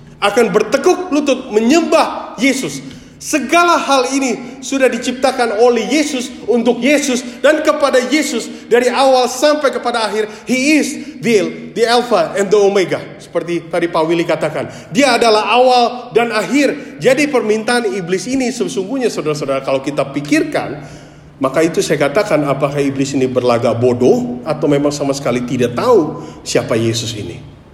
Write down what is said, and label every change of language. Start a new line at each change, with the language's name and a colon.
Indonesian: Akan bertekuk lutut menyembah Yesus. Segala hal ini sudah diciptakan oleh Yesus untuk Yesus dan kepada Yesus dari awal sampai kepada akhir.
English: He is the Alpha and the Omega.
Indonesian: Seperti tadi Pak Willy katakan, dia adalah awal dan akhir. Jadi permintaan iblis ini sesungguhnya saudara-saudara, kalau kita pikirkan, maka itu saya katakan, apakah iblis ini berlagak bodoh atau memang sama sekali tidak tahu siapa Yesus ini.